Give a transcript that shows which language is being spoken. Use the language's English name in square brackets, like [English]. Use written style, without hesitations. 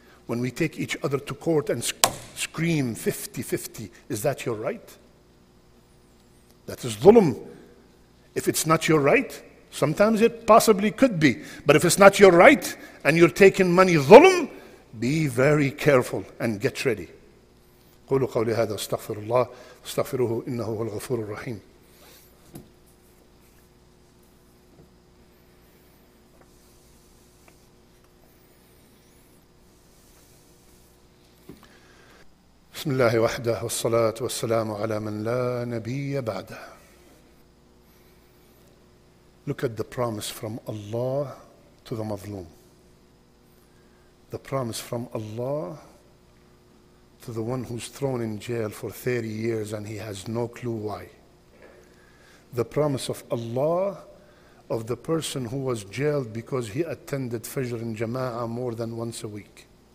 [English] When we take each other to court and scream 50-50, is that your right? That is dhulm. If it's not your right, sometimes it possibly could be. But if it's not your right and you're taking money dhulm, be very careful and get ready. [Arabic] قولوا قولي هذا استغفر الله استغفروه إنه هو الغفور الرحيم. بسم الله وحده والصلاة والسلام على من لا نبي بعده. [English] Look at the promise from Allah to the مظلوم. The promise from Allah to the one who's thrown in jail for 30 years and he has no clue why. The promise of Allah of the person who was jailed because he attended Fajr and Jama'ah more than once a week.